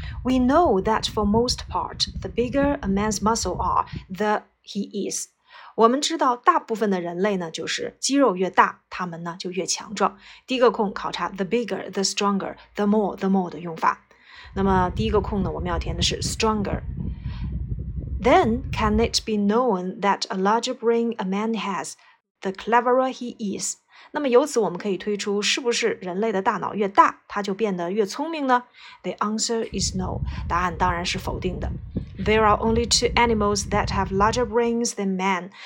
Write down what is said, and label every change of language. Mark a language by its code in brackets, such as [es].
[en] We know that for most part, the bigger a man's muscles are, the he is. [zh] 我们知道大部分的人类呢，就是肌肉越大，他们呢就越强壮。第一个空考察 the bigger, the stronger, the more 的用法。那么第一个空呢，我们要填的是 stronger。 [en] Then, can it be known that a larger brain a man has, the cleverer he is? [zh] 那么由此我们可以推出，是不是人类的大脑越大，它就变得越聪明呢？ The answer is no. 答案当然是否定的。 [en] There are only two animals that have larger brains than man.